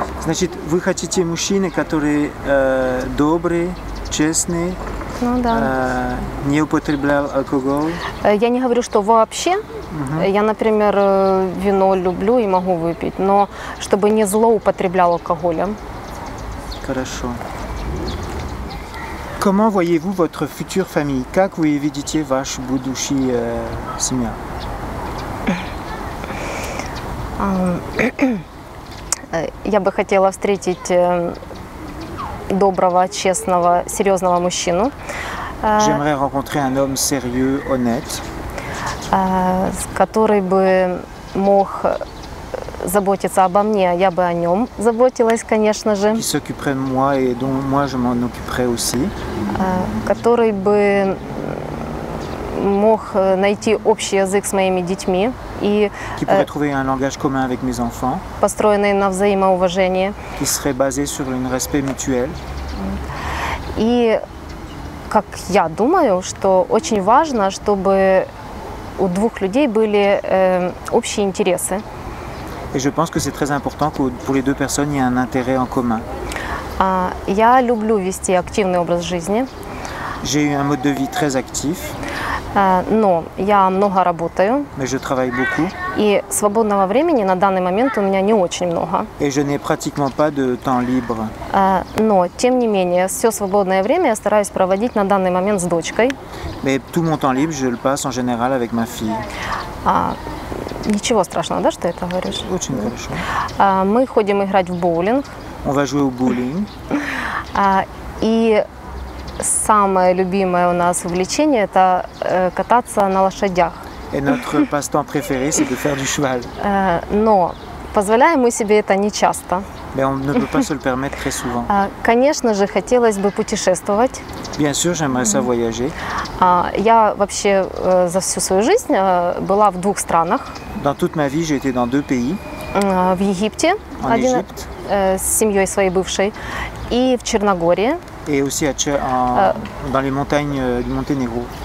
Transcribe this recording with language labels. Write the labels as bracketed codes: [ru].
[ru] Значит, вы хотите мужчины, которые добрые, честные, ну, да. Не употреблял алкоголь? Я не говорю, что вообще. Я, например, вино люблю и могу выпить, но чтобы не злоупотреблял алкоголем. Хорошо. [fr] Comment voyez-vous votre future famille? [ru] Как вы видите вашу будущую семью? Я бы хотела встретить доброго, честного, серьезного мужчину. [fr] J'aimerais rencontrer un homme sérieux, honnête. [ru] Который бы мог заботиться обо мне, я бы о нем заботилась, конечно же. [fr] Qui s'occuperait de moi et dont moi je m'en occuperais aussi. [ru] Который бы мог найти общий язык с моими детьми и [fr] qui pourrait trouver un langage commun avec mes enfants, [ru] построенный на взаимоуважении, [fr] qui serait basé sur un respect mutuel. [ru] И как я думаю, что очень важно, чтобы у двух людей были общие интересы. [fr] Et je pense que c'est très important que pour les deux personnes il y ait un intérêt en commun. [ru] Я люблю вести активный образ жизни. [fr] J'ai eu un mode de vie très actif. [ru] Но я много работаю. [fr] Mais je travaille beaucoup. [ru] И свободного времени на данный момент у меня не очень много. [fr] Et je n'ai pratiquement pas de temps libre. [ru] Но тем не менее все свободное время я стараюсь проводить на данный момент с дочкой. [fr] Mais tout mon temps libre je le passe en général avec ma fille. [ru] Ничего страшного, да, что это говоришь? Очень хорошо. Мы ходим играть в боулинг. [fr] On va jouer au bowling. [ru] И самое любимое у нас увлечение – это кататься на лошадях. [fr] Et notre passe-temps préféré, c'est de faire du cheval. [ru] Но позволяем мы себе это нечасто. [fr] Mais on ne peut pas se le permettre très souvent. [ru] Конечно же, хотелось бы путешествовать. [fr] Bien sûr, j'aimerais ça voyager. [ru] Я вообще за всю свою жизнь была в двух странах. [fr] Dans toute ma vie, j'ai été dans deux pays. [ru] В Египте. [fr] En [ru] один, [fr] Égypte. [ru] С семьей своей бывшей. И в Черногории. [fr] Et aussi à, dans les montagnes du Monténégro.